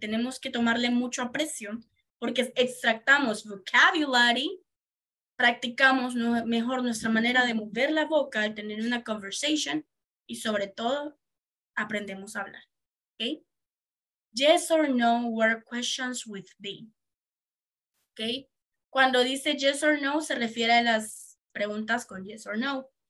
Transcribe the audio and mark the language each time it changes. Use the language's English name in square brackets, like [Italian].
[Spanish] Tenemos que tomarle mucho aprecio porque extractamos vocabulary, practicamos mejor nuestra manera de mover la boca al tener una conversation y sobre todo aprendemos a hablar, okay? [English] Yes or no were questions with be, okay? [Spanish] Cuando dice yes or no se refiere a las preguntas con yes or no.